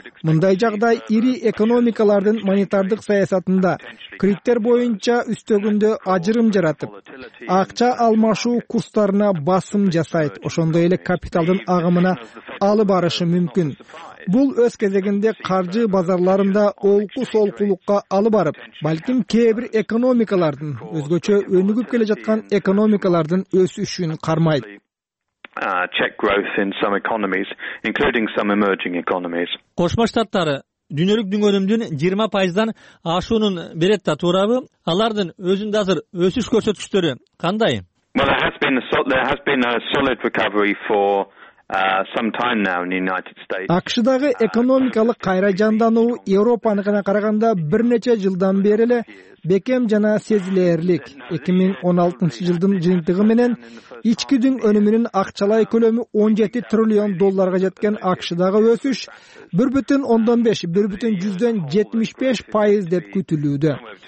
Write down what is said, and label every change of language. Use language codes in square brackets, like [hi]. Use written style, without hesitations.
[ky] Мындай жагдай ири экономикалардын монетардык саясатында кредиттер боюнча үстөгүндө ажырым жаратып, акча алмашуу курстарына басым жасайт, ошондой эле капиталдын агымына алып барышы мүмкүн. Бул өз кезегинде каржы базарларында олку-солкулукка алып барып, балким кээ бир экономикалардын, өзгөчө өнүгүп келе жаткан экономикалардын өсүшүн кармайт. [en] Check growth in some economies, including some emerging economies. [ky] Кошмо Штаттары дүйнөлүк дүңөрүмдүн 20% ашуунун берет да, туурабы? Алардын өзүндө азыр өсүш көрсөткүчтөрү кандай? [en] There has been a solid recovery for some time now in the United States. [ky] АКШдагы экономикалык кайра жандануу Европаныкына караганда бир нече жылдан бери эле бекем жана сезилэрлик. 2016 жылдын жыйынтыгы менен ичкидин өнүмүнүн акчалай көлөмү $17 trillion жеткен АКШдагы өсүш 1.5-1.75% деп күтүлүүдө.